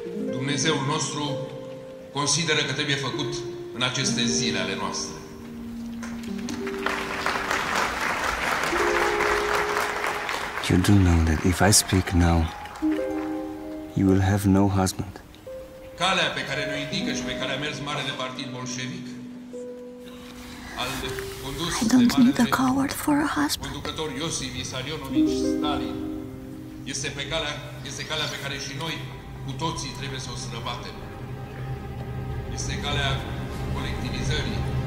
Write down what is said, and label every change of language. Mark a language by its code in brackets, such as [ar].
[ro] Dumnezeul nostru consideră că trebuie făcut în aceste zile ale noastre. [en] You do know that if I speak now, you will have no husband. [ro] Calea pe care ne-o indică și pe care a mers marele partid bolșevic al condus de marele conducător Iosif Isarionovic Stalin este pe calea, este calea pe care și noi cu toții trebuie să o străbatem. Este calea colectivizării,